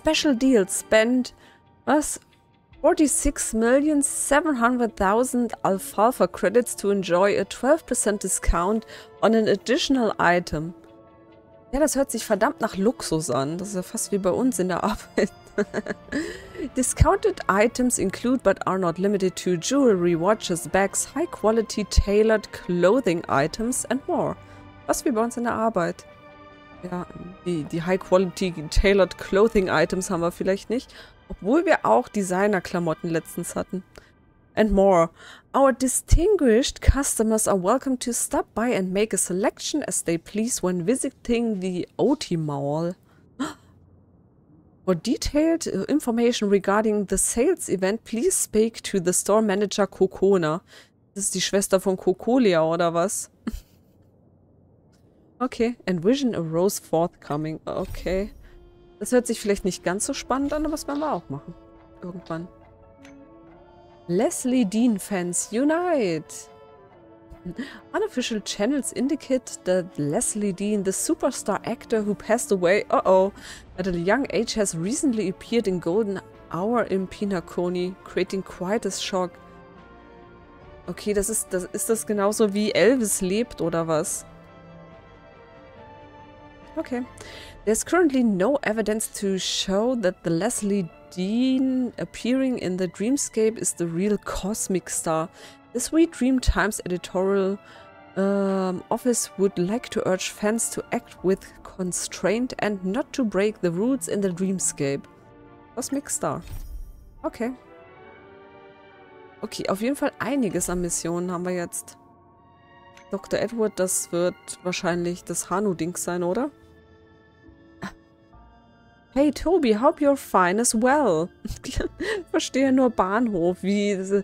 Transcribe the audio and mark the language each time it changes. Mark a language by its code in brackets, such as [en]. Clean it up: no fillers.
[en] Special Deal spend. [de] Was? [en] 46.700.000 Alfalfa Credits to enjoy a 12% discount on an additional item. [de] Ja, das hört sich verdammt nach Luxus an. Das ist ja fast wie bei uns in der Arbeit. [en] Discounted items include but are not limited to jewelry, watches, bags, high quality tailored clothing items and more. [de] Was wie bei uns in der Arbeit. Ja, die [en] high quality tailored clothing items [de] haben wir vielleicht nicht. Obwohl wir auch Designer-Klamotten letztens hatten. [en] And more. Our distinguished customers are welcome to stop by and make a selection as they please when visiting the OT Mall. For detailed information regarding the sales event, please speak to the store manager Kokona. [de] Das ist die Schwester von Kokolia, oder was? Okay. [en] Envision a rose forthcoming. [de] Okay. Das hört sich vielleicht nicht ganz so spannend an, aber das werden wir auch machen. Irgendwann. [en] Leslie Dean Fans Unite! Unofficial channels indicate that Leslie Dean, the superstar actor who passed away, at a young age has recently appeared in Golden Hour in Pinakuni, creating quite a shock. [de] Okay, ist das genauso wie Elvis lebt oder was? Okay. [en] There's currently no evidence to show that the Leslie Dean appearing in the Dreamscape is the real cosmic star. The Sweet Dream Times editorial office would like to urge fans to act with constraint and not to break the rules in the Dreamscape. Cosmic Star. Okay. [de] Okay, auf jeden Fall einiges an Missionen haben wir jetzt. Dr. Edward, das wird wahrscheinlich das Hanu-Ding sein, oder? [en] Hey Toby, hope you're fine as well. [de] Verstehe nur Bahnhof. Wie?